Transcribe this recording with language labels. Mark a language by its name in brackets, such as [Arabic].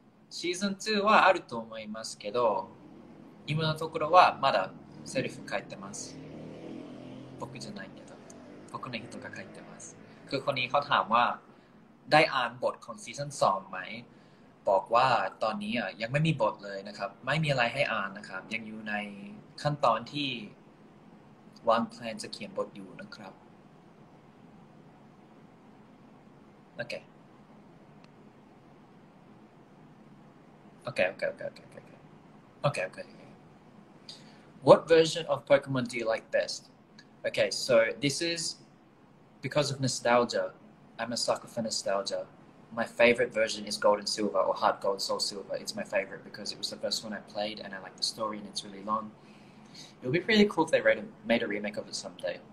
[Japanese] season 2はあると思いますけど、今のところはまだセルフ書いてます。僕じゃないけど、僕の人が書いてます。 [Thai] คือคนนี้เขาถามว่าได้อ่านบทของซีซั่น2ไหมบอกว่าตอนนี้อ่ะยังไม่มีบทเลยนะครับไม่มีอะไรให้อ่านนะครับยังอยู่ในขั้นตอนที่วางแพลนจะเขียนบทอยู่นะครับโอเค โอเคโอเคโอเคโอเคโอเคโอเคโอเคโอเคโอเค [English] What version of Pokemon do you like bestOkay, so this is because of nostalgia. I'm a sucker for nostalgia. My favorite version is Gold and Silver or Heart Gold, Soul Silver. It's my favorite because it was the first one I played and I like the story and it's really long. It would be pretty cool if they made a remake of it someday.